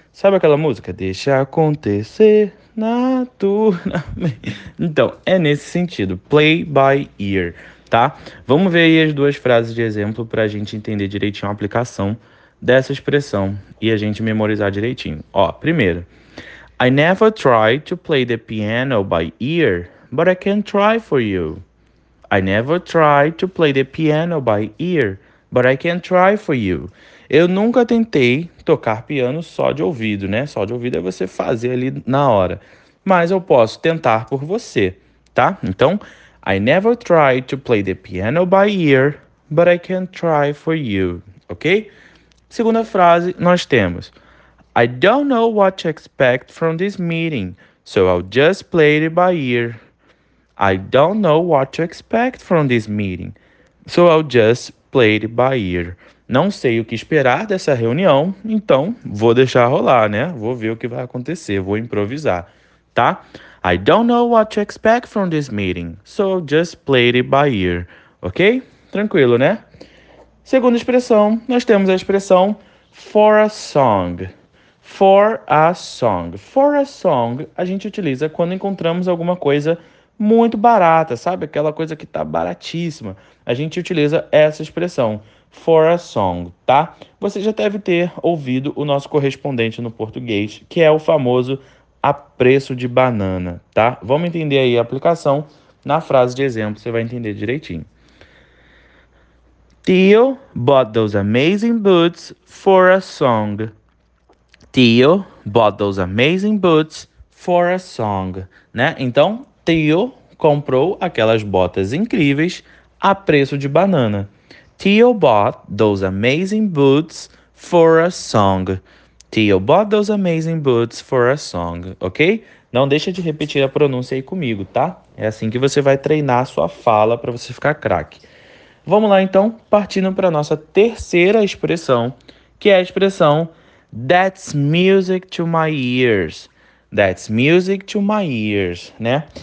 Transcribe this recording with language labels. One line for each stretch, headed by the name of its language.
Portuguese: Sabe aquela música? Deixa acontecer naturalmente. Então, é nesse sentido, play by ear. Tá? Vamos ver aí as duas frases de exemplo para a gente entender direitinho a aplicação dessa expressão e a gente memorizar direitinho. Ó, primeiro,
English: I never tried to play the piano by ear, but I can try for you. I never tried to play the piano by ear, but I can try for you.
Portuguese: Eu nunca tentei tocar piano só de ouvido, né? Só de ouvido é você fazer ali na hora. Mas eu posso tentar por você, tá?
English: Então, I never tried to play the piano by ear, but I can try for you. Ok?
Portuguese: Segunda frase, nós temos:
English: I don't know what to expect from this meeting, so I'll just play it by ear. I don't know what to expect from this meeting, so I'll just play it by ear.
Portuguese: Não sei o que esperar dessa reunião, então vou deixar rolar, né? Vou ver o que vai acontecer, vou improvisar, tá?
English: I don't know what to expect from this meeting, so just play it by ear.
Portuguese: Ok? Tranquilo, né? Segunda expressão, nós temos a expressão for a song. For a song. For a song, a gente utiliza quando encontramos alguma coisa muito barata, sabe? Aquela coisa que tá baratíssima. A gente utiliza essa expressão, for a song, tá? Você já deve ter ouvido o nosso correspondente no português, que é o famoso a preço de banana, tá? Vamos entender aí a aplicação na frase de exemplo, você vai entender direitinho.
English: Theo bought those amazing boots for a song. Theo bought those amazing boots for a song, né?
Portuguese: Então, Theo comprou aquelas botas incríveis a preço de banana.
English: Theo bought those amazing boots for a song. Theo bought those amazing boots for a song, ok?
Portuguese: Não deixa de repetir a pronúncia aí comigo, tá? É assim que você vai treinar a sua fala para você ficar craque. Vamos lá então, partindo para a nossa terceira expressão, que é a expressão
English: That's music to my ears. That's music to my ears, né?